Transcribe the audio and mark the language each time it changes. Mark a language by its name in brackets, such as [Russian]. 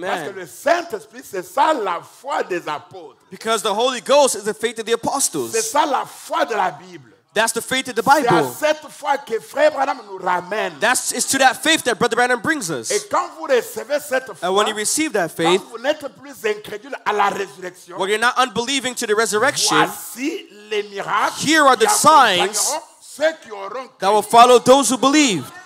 [French] Parce que le Saint-Esprit, c'est ça la foi des apôtres. [English] Because the Holy Ghost is the faith of the apostles. [French] C'est ça la foi de la Bible. [English] That's the faith of the Bible. [French] C'est à cette foi que Frère Branham nous ramène. [English] It's to that faith that Brother Branham brings us. [French] Et quand vous recevez cette foi, [English] and when you receive that faith, [French] quand vous n'êtes plus incrédule à la résurrection, [English] when you're not unbelieving to the resurrection, [French] voici les miracles, [English] here are the signs that will follow those who believe.